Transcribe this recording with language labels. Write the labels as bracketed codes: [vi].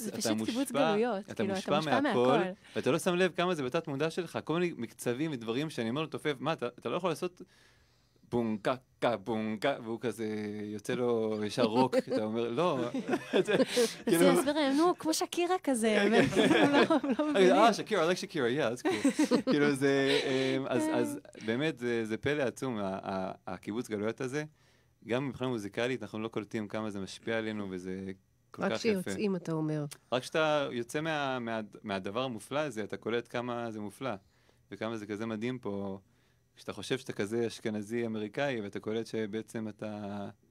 [he] זה פשוט קיבוץ גלויות. אתה מושפע מהכל, ואתה לא שם לב כמה זה בתת מודע שלך, כל מיני מקצבים ודברים שאני אומר לתופף, מה, אתה לא יכול לעשות בונקה, קה, בונקה, והוא כזה יוצא לו ישר רוק, אתה אומר, לא. זה יסביר, נו, כמו שקירה כזה. [en] שקירה, I like שקירה, yeah, that's cool. [he] כאילו זה, אז באמת זה פלא עצום, הקיבוץ גלויות הזה. גם מבחינה מוזיקלית, אנחנו לא קולטים כמה זה משפיע עלינו, וזה כל כך יפה. רק שיוצאים, אתה אומר. רק כשאתה יוצא מהדבר המופלא הזה, אתה קולט כמה זה מופלא, וכמה זה כזה מדהים פה, כשאתה חושב שאתה כזה אשכנזי-אמריקאי, ואתה קולט שבעצם אתה...